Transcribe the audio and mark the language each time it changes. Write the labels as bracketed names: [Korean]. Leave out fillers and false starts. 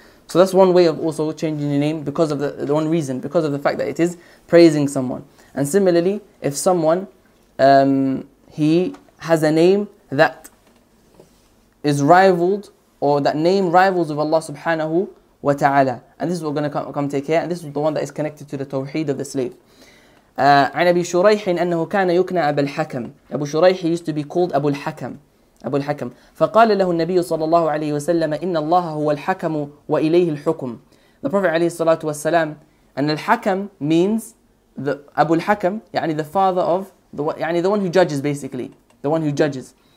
[English] So that's one way of also changing your name because of the one reason, because of the fact that it is praising someone. And similarly, if someone, he has a name that is rivaled or that name rivals of Allah subhanahu wa ta'ala. And this is what we're going to come take care. And this is the one that is connected to the tawheed of the slave. [Arabic] عن أبي شريح أنه كان يكنى أبا الحكم. [English] أبو شريح used to be called أبو الحكم. [Arabic] أبو الحكم فقال له النبي صلى الله عليه وسلم إن الله هو الحكم وإليه الحكم [English] The Prophet [Arabic] عليه الصلاة والسلام أن الحكم [English] means the أبو الحكم يعني the father of the one who judges basically the one who judges